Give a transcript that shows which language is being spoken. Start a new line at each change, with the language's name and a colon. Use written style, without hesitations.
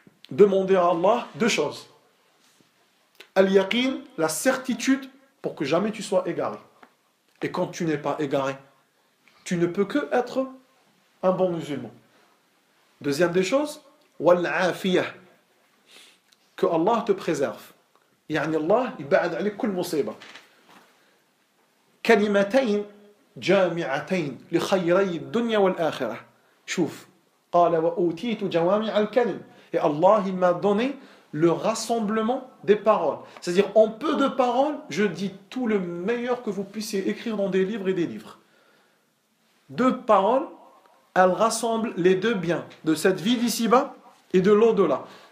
French: Demandez à Allah deux choses.
Arabic: الْيَقِينَ,
French: la certitude pour que jamais tu sois égaré. Et quand tu n'es pas égaré, tu ne peux que être un bon musulman. Deuxième des choses,
Arabic: وَالْعَافِيَةَ.
French: Que Allah te préserve.
Arabic: يعني الله يبعد عليك كل مصيبة. كلمتين جامعتين لخيري الدنيا والآخرة. شوف. قال وأوتيت جوامع الكلم.
French: Et Allah il m'a donné le rassemblement des paroles. C'est-à-dire en peu de paroles, je dis tout le meilleur que vous puissiez écrire dans des livres et des livres. Deux paroles, elles rassemblent les deux biens de cette vie d'ici-bas et de l'au-delà.